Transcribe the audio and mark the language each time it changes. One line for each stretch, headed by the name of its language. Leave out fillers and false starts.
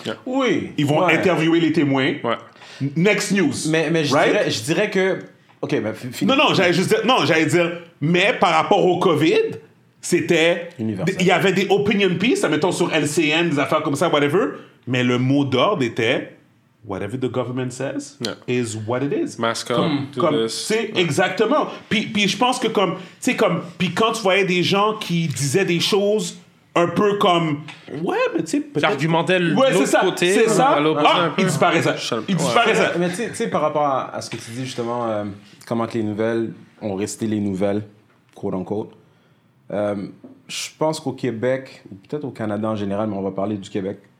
French: Yeah. Oui. Ils vont interviewer les témoins. Ouais.
English: Next news.
French: Mais je dirais que... OK, mais finis. Non, j'allais dire... Mais par rapport au COVID, c'était... Universel. Il y avait des opinion pieces, admettons, sur LCN, des affaires comme ça, whatever. Mais le mot d'ordre était...
English: Whatever the government says is what it is. Mask up,
French: comme,
English: do this.
French: Exactement. Puis je pense que comme... Tu sais, comme... Puis quand tu voyais des gens qui disaient des choses un peu comme... Ouais, mais tu sais, peut-être... J'argumentais l'autre côté. Ouais, c'est ça. Il disparaissait. Mais tu sais, par rapport à ce que tu dis justement, comment que les nouvelles ont resté les nouvelles, quote-unquote, je pense qu'au Québec, ou peut-être au Canada en général, mais on va parler du Québec...